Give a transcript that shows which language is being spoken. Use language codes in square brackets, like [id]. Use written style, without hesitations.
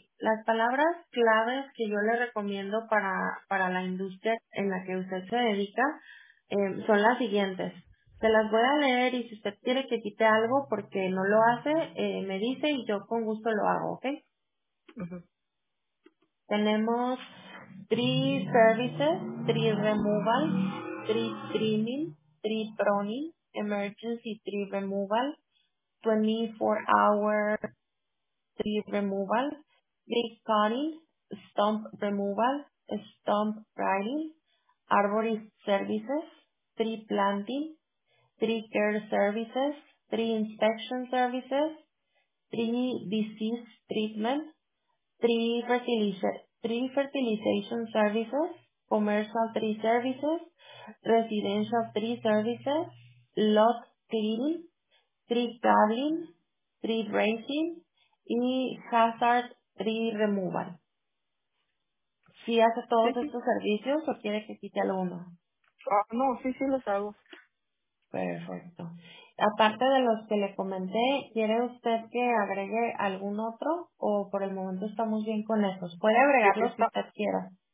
[es] Las palabras claves que yo le recomiendo para la industria en la que usted se dedica son las siguientes. Se las voy a leer y si usted quiere que quite algo porque no lo hace, me dice y yo con gusto lo hago, ¿ok? Tenemos [en] tree services, tree removal, tree trimming, tree pruning, emergency tree removal, 24-hour tree removal, tree cutting, stump removal, stump riding, arborist services, tree planting, tree care services, tree inspection services, tree disease treatment, tree fertilization services, commercial tree services, residential tree services, lot cleaning, tree gathering, tree raising y hazard tree removal. [es] ¿Sí hace todos sí, sí. estos servicios o quiere que quite alguno? No, sí, sí los hago. Perfecto. Aparte de los que le comenté, ¿quiere usted que agregue algún otro o por el momento estamos bien con esos? Puede agregar los que usted quiera.